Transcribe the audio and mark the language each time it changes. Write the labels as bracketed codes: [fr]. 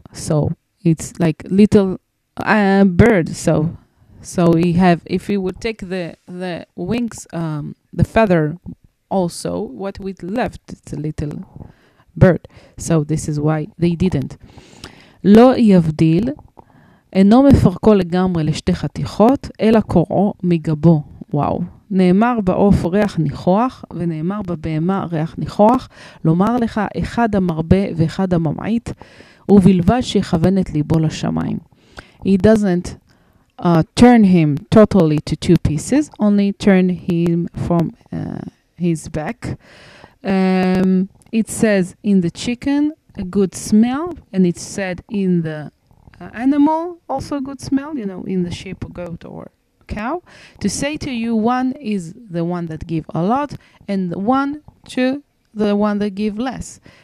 [en] So it's like little bird. So he have, if he would take the wings, the feather also, what we left, it's a little bird. So this is why they didn't. [he] Lo yavdil, אינו מפרקו לגמרי לשתי חתיכות, אלא קוראו מגבו. וואו. נאמר באוף ריח ניחוח, ונאמר בבהמה ריח ניחוח, לומר לך אחד המרבה ואחד הממעיט, ובלבד שיכוון את ליבו לשמיים. [en] He doesn't turn him totally to two pieces, only turn him from his back. It says in the chicken, a good smell, and it said in the animal, also good smell, you know, in the sheep or goat or cow, to say to you, one is the one that give a lot, and one to the one that give less.